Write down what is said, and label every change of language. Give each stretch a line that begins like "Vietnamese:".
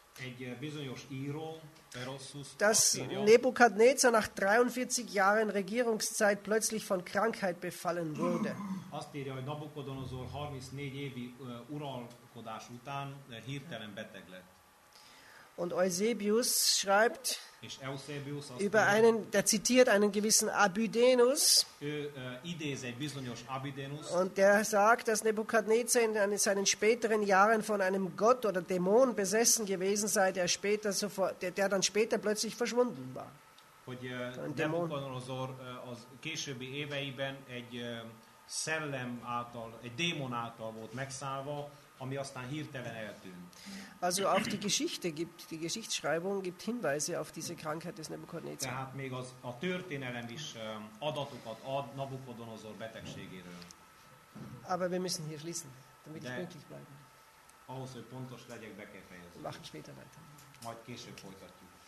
Hungarian: egy bizonyos író Berossus,
German: dass Nebukadnezar nach 43 Jahren Regierungszeit plötzlich von Krankheit befallen wurde.
Hungarian: Azt írja, hogy Nabukodonozor 34 évi uralkodás után hirtelen beteg lett.
German: Und Eusebius schreibt,
Hungarian: és Eusebius azt
German: über einen, der zitiert einen gewissen Abydenus,
Hungarian: ő idéz egy bizonyos Abydenus,
German: und der sagt, dass Nebukadnezar in seinen späteren Jahren von einem Gott oder Dämon besessen gewesen sei, der später sofort, der dann später plötzlich verschwunden war.
Hungarian: Hogy Nebukadnezar az későbbi éveiben egy szellem által, egy démon által volt megszállva, ami aztán hirtelen eltűnt.
German: Also auch die Geschichtsschreibung gibt Hinweise auf diese Krankheit des Nebukadnezar.
Hungarian: Tehát még a történelem is adatokat ad Nabukodonozor betegségéről.
German: Aber wir müssen hier schließen, damit ich pünktlich bleibe.
Hungarian: Ahhoz, hogy pontos legyek, be kell fejezni.
German: Machen später weiter.
Hungarian: Majd később folytatjuk.